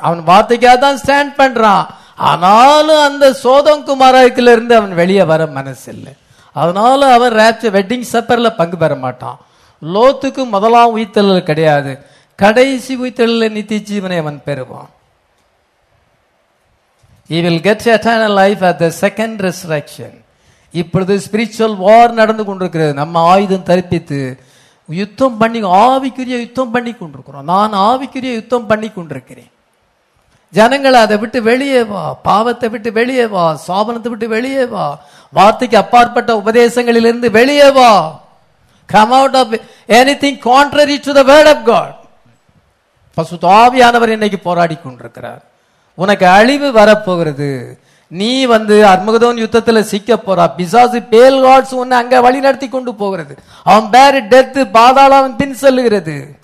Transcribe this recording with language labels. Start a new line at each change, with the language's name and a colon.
Tamil: அவன் வார்த்தைக்காக தான் ஸ்டாண்ட் பண்றான், ஆனாலும் அந்த சோதோம் குமாராக்கில இருந்து அவன் வெளியே வர மனசில்லை. அதனால அவன் ராப்ச்சர் வெட்டிங் சப்பர்ல பங்கு பெற மாட்டான். லோத்துக்கு முதலாம் உயிர்த்தெழுதல் கிடையாது, கடைசி உயிர்த்தெழுதல நித்திய ஜீவனை அவன் பெறுவான்.
English: He will get eternal life at the second resurrection.
Tamil: இப்பொழுது ஸ்பிரிச்சுவல் வார் நடந்து கொண்டிருக்கிறது. நம்ம ஆயுதம் தரிப்பித்து யுத்தம் பண்ணி ஆவிக்குரிய யுத்தம் பண்ணி கொண்டிருக்கிறோம். நான் ஆவிக்குரிய யுத்தம் பண்ணி கொண்டிருக்கிறேன். ஜனங்களை அதை விட்டு வெளியே வா, பாவத்தை விட்டு வெளியே வா, சாபனத்தை விட்டு வெளியே வா, வார்த்தைக்கு அப்பாற்பட்ட உபதேசங்களிலிருந்து வெளியே வா.
English: Come out of anything contrary to the word of God.
Tamil: பரிசுத்த ஆவியானவர் இன்னைக்கு போராடி கொண்டிருக்கிறார். உனக்கு அழிவு வரப்போகிறது. நீ வந்து அர்மகதோன் யுத்தத்துல சிக்க போற. பிசாசு பேல் காட்ஸ் உன்னை அங்க வழி நடத்தி கொண்டு போகிறது. அவன் பேர் டெத்து, பாதாளம் பின் செல்லுகிறது.